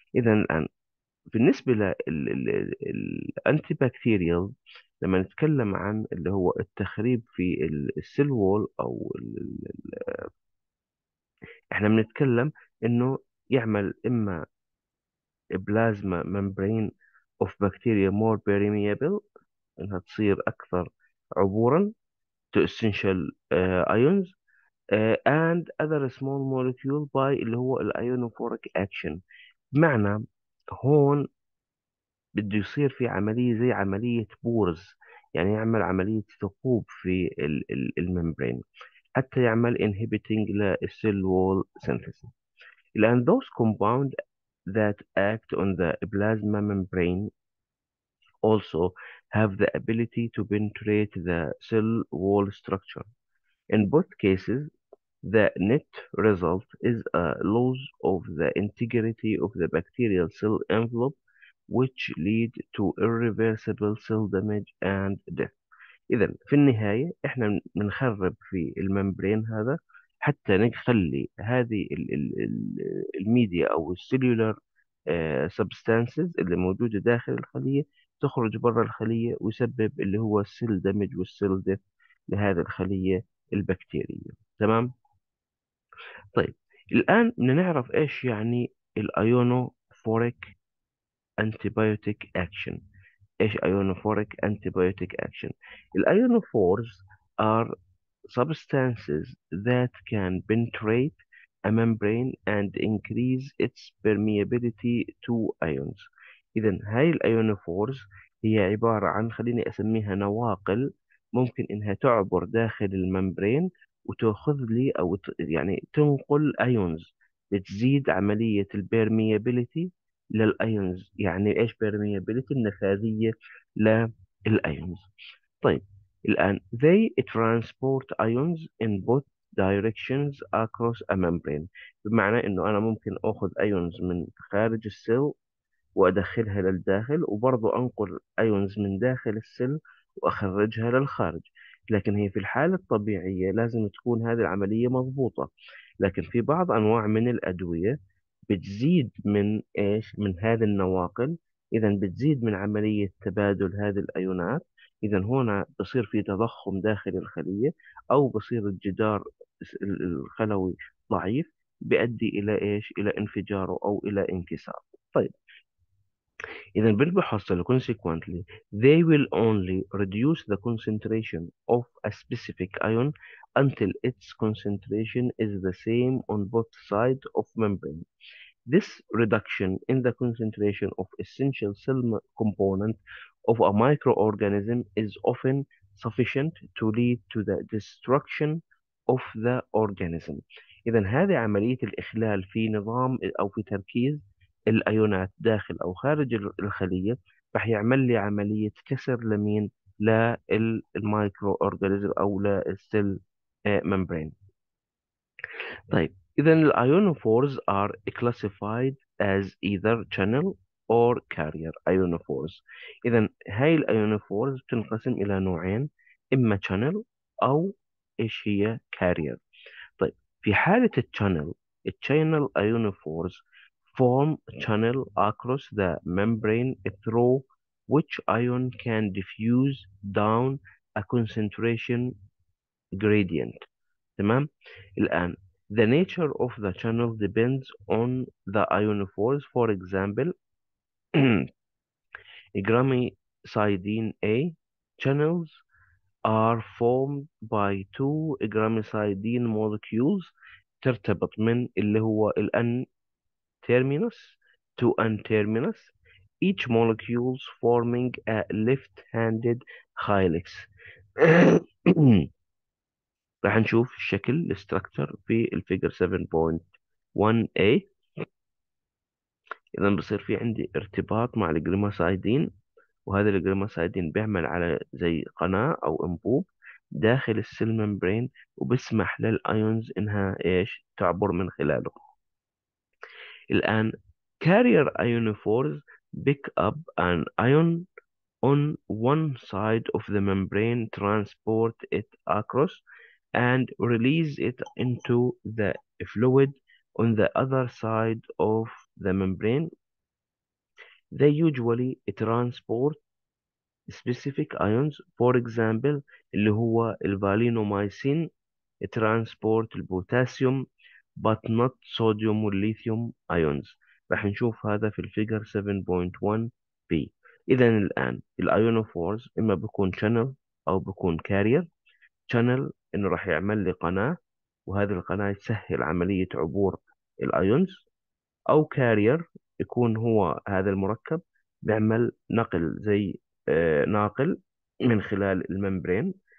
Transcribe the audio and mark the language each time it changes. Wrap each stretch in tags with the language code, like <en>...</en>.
<ar>اذا الان بالنسبه للانتي بكتيريال، لما نتكلم عن اللي هو التخريب في السيل وول، او احنا بنتكلم انه يعمل اما بلازما ممبرين اوف بكتيريا مور بيرميابل انها تصير اكثر عبورا</ar> <en>to essential ions and other small molecule by</en> <ar>اللي هو الايونوفوريك اكشن. بمعنى هون بده يصير في عملية زي عملية بورز، يعني يعمل عملية ثقوب في الممبرين حتى يعمل inhibiting للسيل وول synthesis. الآن</ar> <en>those compound that act on the plasma membrane also have the ability to penetrate the cell wall structure. In both cases, the net result is a loss of the integrity of the bacterial cell envelope, which lead to irreversible cell damage and death.</en> <ar>إذن في النهاية إحنا بنخرب في الممبرين هذا حتى نخلي هذه الميديا أو السيلولار سبستانسز اللي موجودة داخل الخلية تخرج برا الخلية ويسبب اللي هو السيل دامج والسيل ديث لهذه الخلية البكتيرية. تمام. طيب الآن نعرف إيش يعني الأيونو فوريك أنتيبيوتيك أكشن. إيش</ar> <en>Ionophoric antibiotic action? الأيونو فورز are substances that can penetrate a membrane and increase its permeability to ions.</en> <ar>إذا هاي الأيونوفورز هي عبارة عن، خليني أسميها نواقل، ممكن إنها تعبر داخل الممبرين وتأخذ لي أو يعني تنقل أيونز، بتزيد عملية البيرميابيليتي للأيونز. يعني إيش بيرميابيليتي؟ النفاذية للأيونز. طيب الآن</ar> <en>they transport ions in both directions across a membrane،</en> <ar>بمعنى إنه أنا ممكن أخذ أيونز من خارج السيل وأدخلها للداخل، وبرضو أنقل أيونز من داخل السل وأخرجها للخارج. لكن هي في الحالة الطبيعية لازم تكون هذه العملية مضبوطة، لكن في بعض أنواع من الأدوية بتزيد من إيش، من هذه النواقل، إذا بتزيد من عملية تبادل هذه الأيونات. إذا هنا بصير في تضخم داخل الخلية، أو بصير الجدار الخلوي ضعيف بيؤدي إلى إيش، إلى انفجاره أو إلى انكسار. طيب إذا بالمحصلة</ar> <en>consequently they will only reduce the concentration of a specific ion until its concentration is the same on both sides of membrane. This reduction in the concentration of essential cell component of a microorganism is often sufficient to lead to the destruction of the organism.</en> <ar>إذا هذه عملية الإخلال في نظام أو في تركيز الايونات داخل او خارج الخليه راح يعمل لي عمليه كسر لمين؟ للمايكرو اورجانيزم او للسيل ممبرين.</ar> <en>طيب اذا الايونوفورز are classified as either channel or carrier ionophores.</en> <ar>اذا هاي الايونوفورز تنقسم الى نوعين، اما شانل او ايش هي كارير. طيب في حاله الشانل،</ar> <en>الشانل ionophores form channel across the membrane through which ion can diffuse down a concentration gradient.</en> <ar>تمام. الآن</ar> <en>the nature of the channel depends on the ion force. For example gramicidin A channels are formed by two gramicidin molecules</en> <ar>ترتبط من اللي هو</ar> <en>الان terminus to N-terminus, each molecule forming a left-handed helix.</en> <ar>راح نشوف الشكل الستركتر في الفيجر 7.9. 1A، إذا بصير في عندي ارتباط مع الجليمسايدين، وهذا الجليمسايدين بيعمل على زي قناة أو أنبوب داخل السيلمبرين، وبسمح للأيونز إنها إيش تعبر من خلاله. الآن</ar> <en>Carrier ionophores pick up an ion on one side of the membrane, transport it across, and release it into the fluid on the other side of the membrane. They usually transport specific ions. For example,</en> <ar>اللي هو</ar> <en>الفالينومايسين transport البوتاسيوم but not sodium or lithium ions.</en> <ar>راح نشوف هذا في الفيجر 7.1b. إذا الآن الأيونوفورز إما بيكون شانل أو بيكون كارير. شانل إنه راح يعمل لي قناة، وهذه القناة تسهل عملية عبور الأيونز، أو كارير يكون هو هذا المركب بيعمل نقل زي ناقل من خلال الممبرين.</ar>